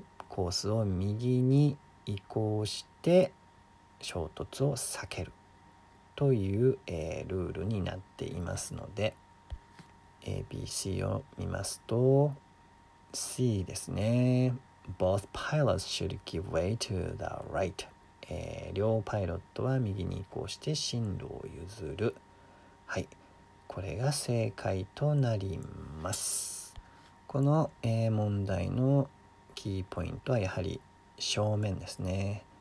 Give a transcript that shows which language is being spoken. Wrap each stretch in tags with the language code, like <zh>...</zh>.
<ja>コースを右に移行して衝突を避けるという、ルールになっていますので、 ABC を見ますと C ですね。</ja> <en>Both pilots should give way to the right.</en> <ja>両パイロットは右に移行して進路を譲る。はい、これが正解となります。この、問題のキーポイントはやはり正面ですね。</ja>